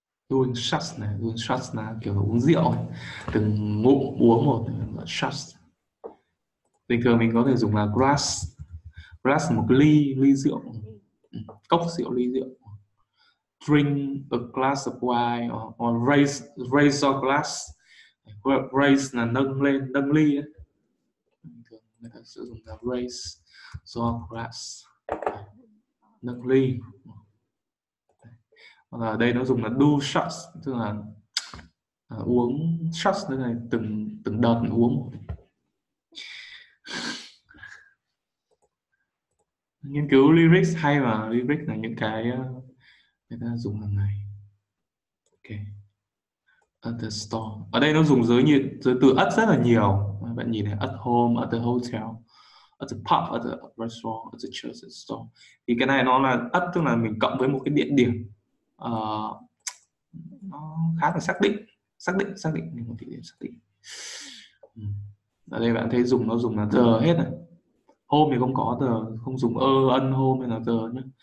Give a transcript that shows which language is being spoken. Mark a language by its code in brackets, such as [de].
[vi] Doing shots là kiểu là uống rượu, từng ngụm uống một shots. Bình thường mình có thể dùng là glass, glass một ly, ly rượu, cốc rượu, ly rượu. [en] Drink a glass of wine or raise your glass. [vi] Raise là nâng lên, nâng ly ấy. Người ta sử dụng là [en] raise your glass, [vi] nâng ly. Và ở đây nó dùng là do shots, tức là uống shots nữa này, từng từng đợt uống. Lyrics hay mà, lyrics là những cái người ta dùng hàng ngày. [en] Ok. At the store. [vi] Ở đây nó dùng giới như giới từ at rất là nhiều. Bạn nhìn này, [en] at home, at the hotel, at the pub, at the restaurant, at the church, at the store. [vi] Thì cái này nó là at, tức là mình cộng với một cái địa điểm. Nó khá là xác định một địa điểm xác định. Ở đây bạn thấy dùng nó dùng là the hết này. Home thì không có the, không dùng home hay là the nhé.